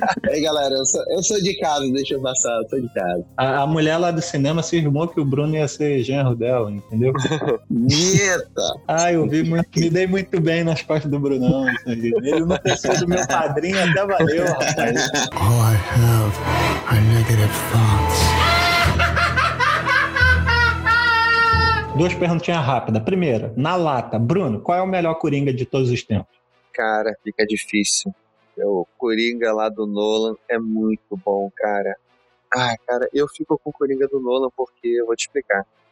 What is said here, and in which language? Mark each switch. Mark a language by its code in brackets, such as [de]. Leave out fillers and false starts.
[pt] Ei, galera, eu sou de casa, deixa eu passar, eu sou de casa. A mulher lá do cinema se irmou que o Bruno ia ser genro dela, entendeu? Eita! Ai, eu vi muito, me dei muito bem nas costas do Brunão. Ele não precisou do meu padrinho, até valeu, rapaz. [en] All I have are negative thoughts. [pt] Duas perguntinhas rápidas. Primeira, na lata, Bruno, qual é o melhor Coringa de todos os tempos? Cara, fica difícil. O Coringa lá do Nolan é muito bom, cara. Ah, cara, eu fico com o Coringa do Nolan porque, eu vou te explicar.